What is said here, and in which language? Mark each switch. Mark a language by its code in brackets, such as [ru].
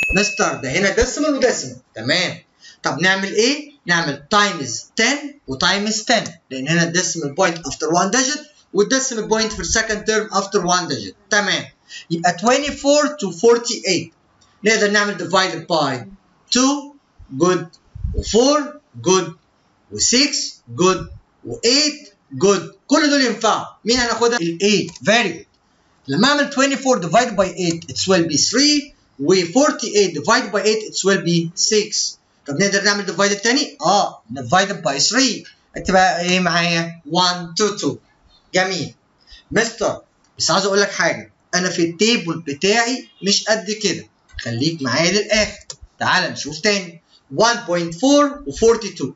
[ar] مستر ده هنا ديسمال وديسمال. تمام. طب نعمل ايه؟ نعمل تايمز 10 وتايمز 10 لان هنا الديسمال بوينت افتر 1 ديجيت والديسمال بوينت في السكند تيرم افتر 1 ديجيت. تمام. يبقى 24 to 48 نقدر نعمل ديفايدد باي 2 good و4 good و6 good و8 good، كل دول ينفع، مين هناخدها؟ ال8. [en] very good. [ar] لما اعمل 24 [en] divided by 8 it's will be 3 [ar] و48 [en] divided by 8 it's will be 6. [ar] طب نقدر نعمل divided تاني؟ [en] divided by 3 [ar] هتبقى ايه معايا؟ 1 2 2. جميل مستر، بس عايز اقول لك حاجه، انا في التيبل بتاعي مش قد كده، خليك معايا للاخر. تعال نشوف تاني 1.4 و42.